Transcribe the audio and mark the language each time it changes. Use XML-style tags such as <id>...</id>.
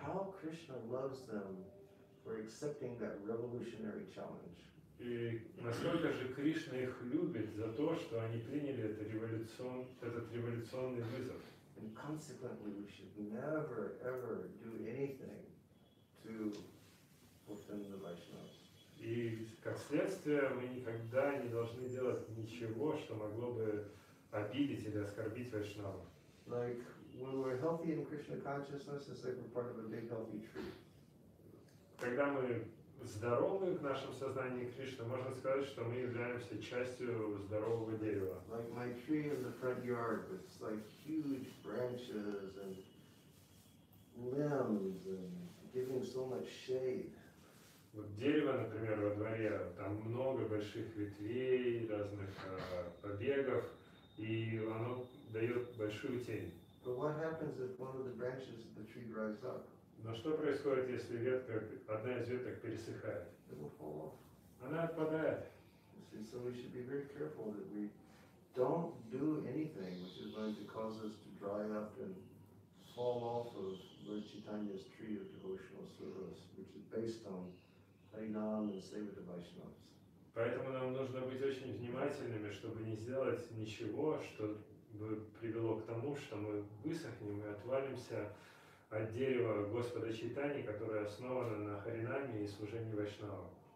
<en>How Krishna loves them for accepting that revolutionary challenge.</en> <ru>И насколько же Кришна их любит за то, что они приняли этот революционный вызов.</ru> <en>And consequently, we should never, ever do anything to offend the Vaishnavas.</en> <ru>И, как следствие, мы никогда не должны делать ничего, что могло бы обидеть или оскорбить вайшнава.</ru> <en>Like when we're healthy in Krishna consciousness, it's like we're part of a big healthy tree.</en> <ru>Когда мы здоровы в нашем сознании Кришны, можно сказать, что мы являемся частью здорового дерева.</ru> <en>Like my tree in the front yard with like huge branches and limbs and giving so much shade.</en> <ru>Вот дерево, например, во дворе, там много больших ветвей, разных побегов, и оно дает большую тень.</ru> <en>But what happens if one of the branches of the tree dries up?</en> <ru>Но что происходит, если ветка, одна из веток пересыхает? Она отпадает.</ru> <en>So we should be very careful that we don't do anything which is going to cause us to dry up and fall off of Lord Chaitanya's tree of devotional service, which is based on Harinam and Saivita Vaishnavas.</en> <ru>Поэтому нам нужно быть очень внимательными, чтобы не сделать ничего, что бы привело к тому, что мы высохнем и отвалимся от дерева Господа Чайтани, которое основано на Харинаме и служении Вайшнава.</ru>